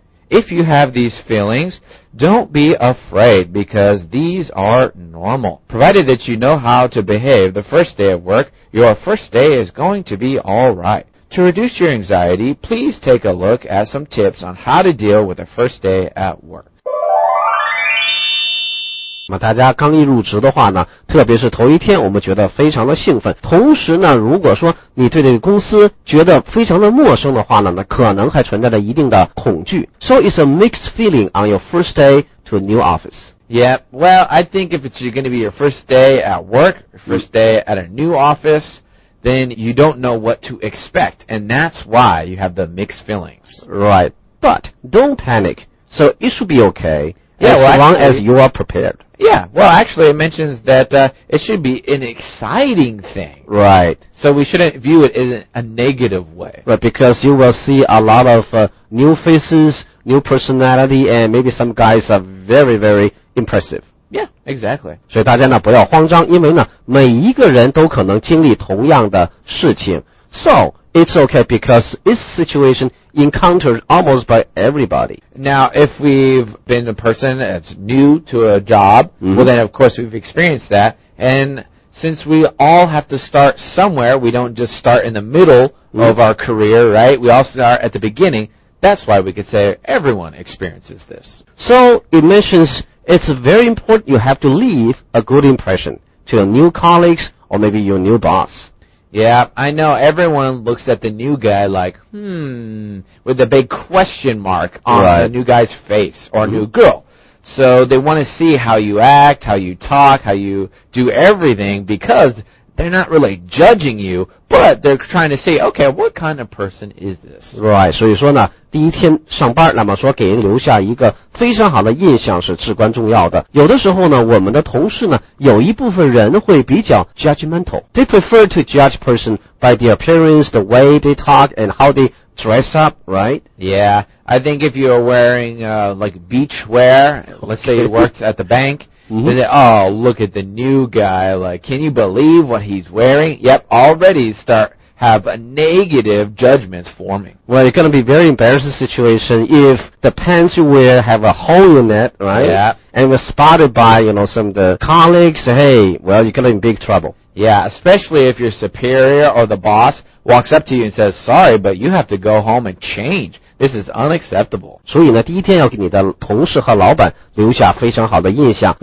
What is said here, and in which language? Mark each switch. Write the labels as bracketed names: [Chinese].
[English] If you have these feelings, don't be afraid because these are normal. Provided that you know how to behave the first day of work, your first day is going to be all right. To reduce your anxiety, please take a look at some tips on how to deal with the first day at work. [Chinese] 那么大家刚一入职的话呢，特别是头一天，我们觉得非常的兴奋。同时呢，如果说你对这个公司觉得非常的陌生的话呢，那可能还存在着一定的恐惧。 [English] So it's a mixed feeling on your first day to a new office. Yeah, well, I think if it's going to be your first day at work, first day at a new office, then you don't know what to expect, and that's why you have the mixed feelings. Right, but don't panic. So it should be okay. As long as you are prepared. Yeah, well, actually, it mentions that it should be an exciting thing. Right. So we shouldn't view it in a negative way. Right, because you will see a lot of new faces, new personality, and maybe some guys are very, very impressive. Yeah, exactly. [Chinese] 所以大家呢不要慌张，因为呢每一个人都可能经历同样的事情。 [English] So it's okay because this situation encountered almost by everybody. Now, if we've been a person that's new to a job, well then of course we've experienced that. And since we all have to start somewhere, we don't just start in the middle of our career, right? We all start at the beginning. That's why we could say everyone experiences this. So it mentions it's very important you have to leave a good impression to your new colleagues or maybe your new boss. Yeah, I know everyone looks at the new guy like, with a big question mark on right. the new guy's face or new girl. So they want to see how you act, how you talk, how you do everything because they're not really judging you, but they're trying to see, okay, what kind of person is this? [Chinese] Right, 所以说呢，第一天上班，那么说给人留下一个非常好的印象是至关重要的。有的时候呢，我们的同事呢，有一部分人会比较 judgmental. [English] They prefer to judge person by the appearance, the way they talk, and how they dress up, right? Yeah, I think if you're wearing like beach wear, let's say you worked at the bank,They say, oh, look at the new guy. Like, can you believe what he's wearing? Yep, already start have negative judgments forming. Well, it's going to be a very embarrassing situation if the pants you wear have a hole in it, right? Yeah. And was spotted by, you know, some of the colleagues. Hey, well, you're going to be in big trouble. Yeah, especially if your superior or the boss walks up to you and says, sorry, but you have to go home and change. This is unacceptable. [Chinese] 所以呢，第一天要给你的同事和老板留下非常好的印象。